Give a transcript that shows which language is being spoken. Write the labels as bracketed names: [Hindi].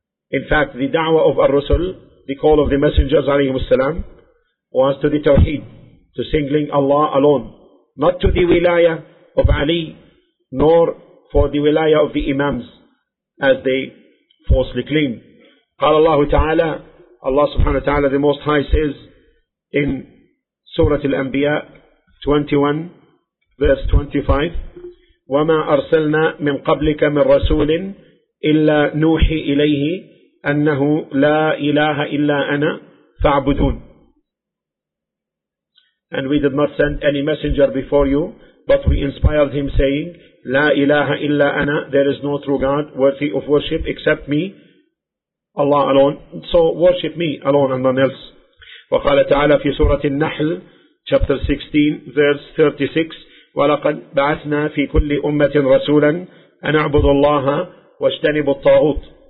[English] In fact, the da'wah of Ar-Rusul, the call of the messengers, alayhi wassalam, was to the Tawheed, to singling Allah alone, not to the wilaya of Ali, nor for the wilaya of the Imams, as they falsely claim. [Arabic] قال الله تعالى, [English] Allah subhanahu wa ta'ala, the Most High says in Surah Al-Anbiya 21, verse 25, [Arabic] وَمَا أَرْسَلْنَا مِنْ قَبْلِكَ مِنْ رَسُولٍ إِلَّا نُوحِي إِلَيْهِ أَنَّهُ لَا إِلَهَ إِلَّا أَنَا فَاعْبُدُونَ. [English] And we did not send any messenger before you, but we inspired him saying, [Arabic] لا إله إلا أنا, [English] there is no true God worthy of worship except me, Allah alone. So worship me alone and none else. [Arabic] وقال تعالى في سورة النحل [English] chapter 16 verse 36, [Arabic] ولقد بعثنا في كل أمة رسولا أن أعبدوا الله واجتنبوا الطاغوت.